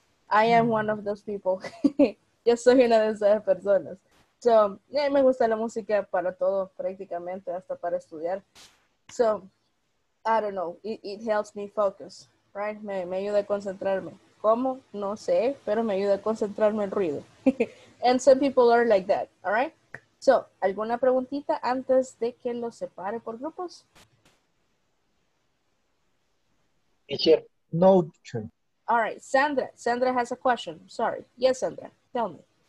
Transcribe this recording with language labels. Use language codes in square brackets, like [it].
[en] I am one of those people. Yo soy una de esas personas. [es] So, yeah, me gusta la música para todo, prácticamente, hasta para estudiar. [en] So, I don't know. It helps me focus, right? [es] Me ayuda a concentrarme. ¿Cómo? No sé, pero me ayuda a concentrarme en ruido. [en] And some people are like that, all right? [es] So, ¿alguna preguntita antes de que los separe por grupos? [en] Teacher. No, teacher. All right, Sandra. Sandra has a question. Sorry. Yes, Sandra. Tell me.